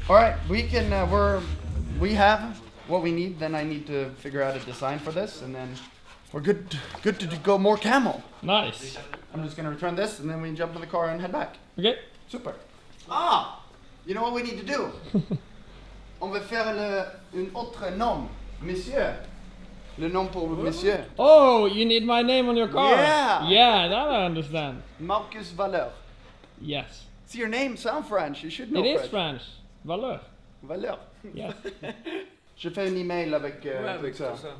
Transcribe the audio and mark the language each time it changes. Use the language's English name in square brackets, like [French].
[English] All right, we can, we have what we need, then I need to figure out a design for this, and then we're good to go more camo. Nice. I'm just going to return this, and then we jump in the car and head back. Okay. Super. Ah, you know what we need to do? [French] On va faire un autre nom, monsieur. Le nom pour monsieur. [English] Oh, you need my name on your car? Yeah. Yeah, that I understand. Marcus Valeur. Yes. See, your name sounds French. You should know French. It is French. Valeur. Valeur. Yes. [French] Je fais un email avec, avec ça.